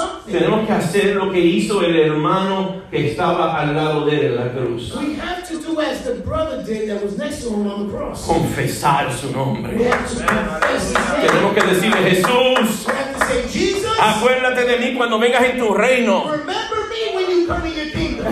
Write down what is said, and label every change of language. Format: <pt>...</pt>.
<es>Tenemos que hacer lo que hizo el hermano que estaba al lado de él en la cruz.</es> <en>We have to do as the brother did that was next to him on the cross.</en> <es>Confesar su nombre.</es> <en>We have to confess his name.</en> <es>Tenemos que decirle Jesús.</es> <en>We have to say Jesus.</en> <es>Acuérdate de mí cuando vengas en tu reino.</es> <en>Remember me when you come in your kingdom.</en>